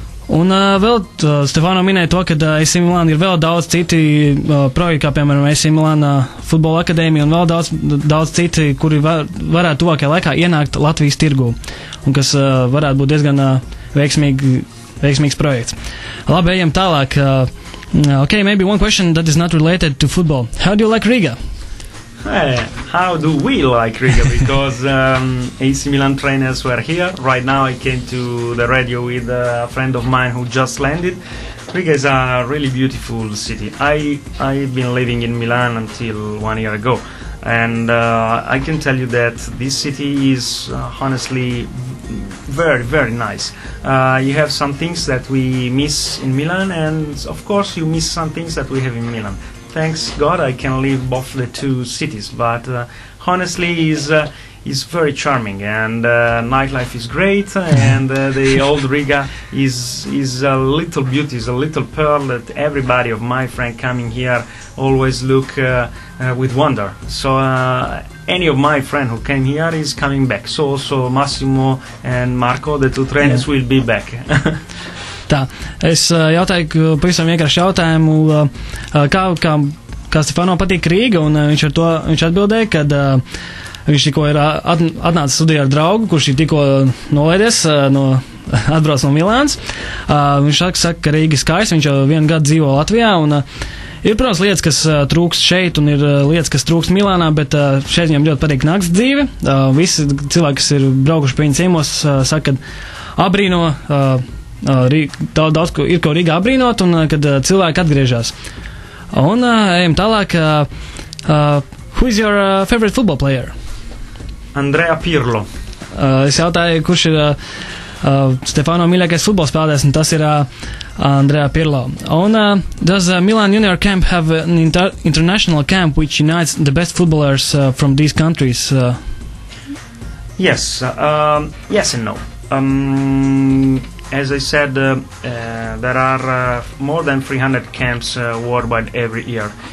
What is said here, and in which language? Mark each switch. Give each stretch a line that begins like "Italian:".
Latvian: Un vēl Stefano minēja to, ka AC Milan ir vēl daudz citi projekti, kā piemēram AC Milan futbola akadēmija un vēl daudz citi, kuri varētu tuvākajā laikā ienākt Latvijas tirgu un kas varētu būt diezgan veiksmīgs projekts. Labi, ejam tālāk.
English: Okay, maybe one question that is not related to football. How do you like Riga? Hey, how do we like Riga? Because AC Milan trainers were here. Right now I came to the radio with a friend of mine who just landed. Riga is a really beautiful city. I've been living in Milan until 1 year ago. And I can tell you that this city is honestly very, very nice. You have some things that we miss in Milan, and of course you miss some things that we have in Milan. Thanks God I can leave both the two cities, but honestly is very charming and nightlife is great and the old Riga is a little beauty, is a little pearl that everybody of my friend coming here always look with wonder. So any of my friend who came here is coming back. So also Massimo and Marco, the two trainers, will be back.
Latvian: Tā, es jautāju pavisam vienkārši jautājumu, kā Stefano patīk Rīga, un viņš ar to viņš atbildēja, ka viņš tikko ir atnācis studijā ar draugu, kurš ir tikko nolēdies, atbrauc no Milāns. Viņš saka, ka Rīga ir skaists, viņš jau vienu gadu dzīvo Latvijā, un ir, protams, lietas, kas trūkst šeit, un ir lietas, kas trūkst Milānā, bet šeit viņam ļoti patīk nakts dzīve. Visi cilvēki, kas ir braukuši pie viņa ciemos, saka, ka abrīno, daudz ir ko Rīgā apbrīnot un kad cilvēki atgriežas. Un ejam tālāk
English: who is your favorite football player? Andrea Pirlo.
Latvian: Es jautāju, kurš ir Stefano mīļākais futbola spēlētājs, un tas ir Andrea Pirlo. Un
English: does Milan Junior Camp have an international camp which unites the best footballers from these countries? Yes and no. As I said, there are more than 300 camps worldwide every year.